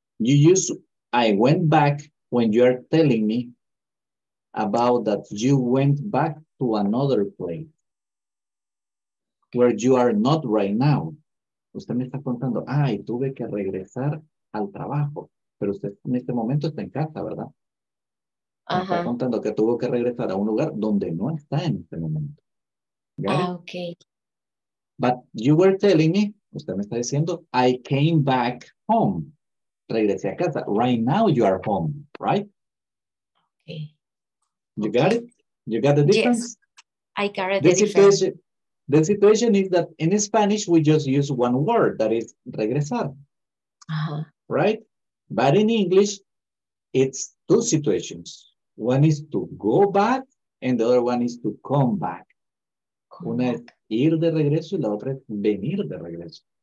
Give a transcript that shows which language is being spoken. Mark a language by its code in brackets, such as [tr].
[en] You use I went back when you are telling me about that you went back to another place where you are not right now. [es] Usted me está contando, ay, tuve que regresar al trabajo. Pero usted en este momento está en casa, ¿verdad? Me está contando que tuvo que regresar a un lugar donde no está en este momento. [en] Okay. But you were telling me, [es] usted me está diciendo, [en] I came back home. [es] Regresé a casa. [en] Right now you are home, right? Okay. You got it? You got the difference? Yes, I got the difference. The situation is that in Spanish, we just use one word, that is regresar. Uh-huh. Right? But in English, it's two situations. One is to go back, and the other one is to come back. [es] Una es ir de regreso, y la otra es venir de regreso.